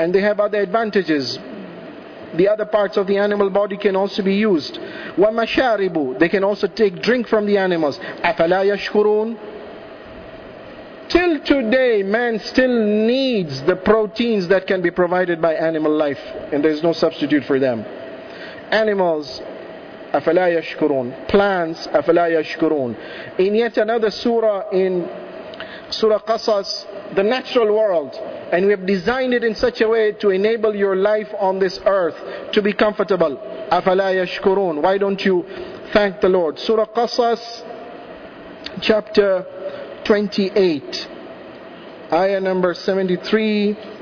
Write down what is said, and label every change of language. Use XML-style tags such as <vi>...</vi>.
<en>And they have other advantages. The other parts of the animal body can also be used.</en> <ar>وَمَشَارِبُ.</ar> <en>They can also take drink from the animals.</en> <ar>أَفَلَا يَشْكُرُونَ.</ar> <en>Till today, man still needs the proteins that can be provided by animal life. And there's no substitute for them.</en> <ar>Animals, أَفَلَا يَشْكُرُونَ. Plants, أَفَلَا يَشْكُرُونَ.</ar> <en>In yet another surah, in Surah Qasas, the natural world, and we have designed it in such a way to enable your life on this earth to be comfortable.</en> <ar>أَفَلَا يَشْكُرُونَ.</ar> <en>Why don't you thank the Lord? Surah Qasas, chapter 28, ayah number 73.</en>